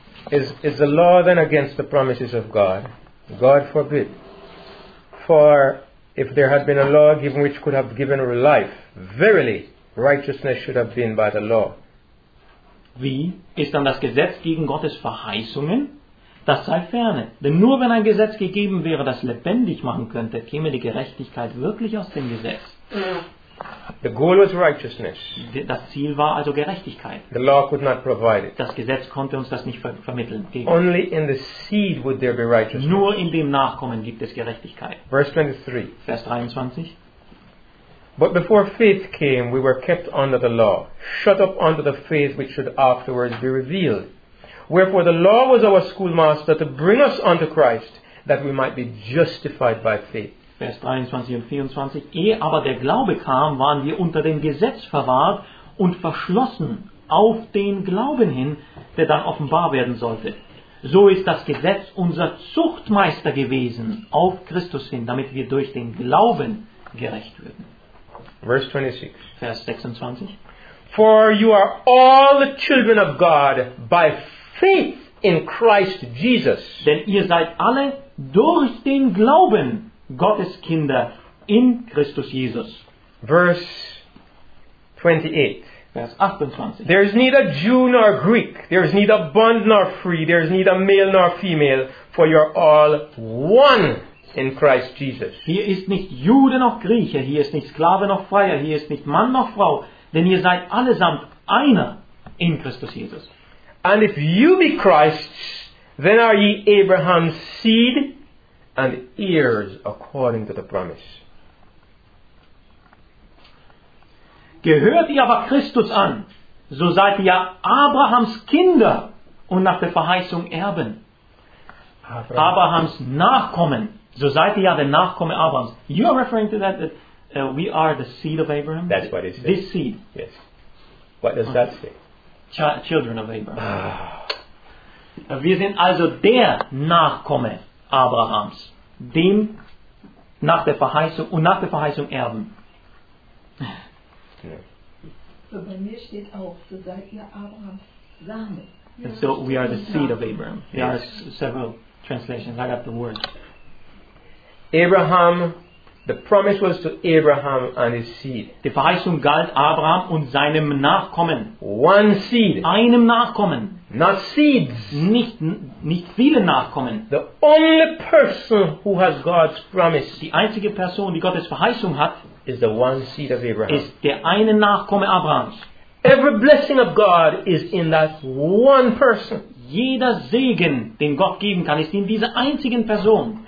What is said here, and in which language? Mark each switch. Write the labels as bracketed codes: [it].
[en] Is the law then against the promises of God? God forbid. For if there had been a law given which could have given life, verily righteousness should have been by the law. [de] Wie ist dann das Gesetz gegen Gottes Verheißungen? Das sei ferne. Denn nur wenn ein Gesetz gegeben wäre, das lebendig machen könnte, käme die Gerechtigkeit wirklich aus dem Gesetz. [en] The goal was righteousness. [de] Das Ziel war also Gerechtigkeit. [en] The law could not provide it. [de] Das Gesetz konnte uns das nicht vermitteln. [en] Only in the seed would there be righteousness. [de] Nur in dem Nachkommen gibt es Gerechtigkeit. [en] Verse 23. [de] Vers 23. [en] But before faith came, we were kept under the law, shut up under the faith which should afterwards be revealed. Wherefore the law was our schoolmaster to bring us unto Christ, that we might be justified by faith. [de] Vers 23 und 24. Ehe aber der Glaube kam, waren wir unter dem Gesetz verwahrt und verschlossen auf den Glauben hin, der dann offenbar werden sollte. So ist das Gesetz unser Zuchtmeister gewesen auf Christus hin, damit wir durch den Glauben gerecht würden. [en] Verse 26. [de] Vers 26. [en] For you are all the children of God by faith in Christ Jesus. [de] Denn ihr seid alle durch den Glauben Gottes Kinder in Christus Jesus. [en] Verse 28. There is neither Jew nor Greek. There is neither bond nor free. There is neither male nor female. For you are all one in Christ Jesus. [de] Hier ist nicht Jude noch Grieche. Hier ist nicht Sklave noch Freier. Hier ist nicht Mann noch Frau. Denn ihr seid allesamt einer in Christus Jesus. [en] And if you be Christ's, then are ye Abraham's seed and heirs according to the promise. [de] Gehört ihr aber Christus an, so seid ihr Abrahams Kinder und nach der Verheißung Erben. Abrahams Nachkommen, so seid ihr ja der Nachkomme Abrahams. [en] You are referring to that, that we are the seed of Abraham? That's what it says. This seed. Yes. What does that say? Children of Abraham. [de] Wir sind also der Nachkomme Abrahams, dem nach der Verheißung und nach der Verheißung Erben. So bei mir steht auch, so seid ihr Abrahams Same. [en] And so we are the seed of Abraham. There are several translations. I got the words. Abraham, the promise was to Abraham and his seed. [de] Die Verheißung galt Abraham und seinem Nachkommen. [en] One seed. [de] Einem Nachkommen. [en] Not seeds. [de] Nicht viele Nachkommen. [en] The only person who has God's promise. [de] Die einzige Person, die Gottes Verheißung hat. [en] Is the one seed of Abraham. [de] Ist der eine Nachkomme Abrahams. [en] Every blessing of God is in that one person. [de] Jeder Segen, den Gott geben kann, ist in dieser einzigen Person.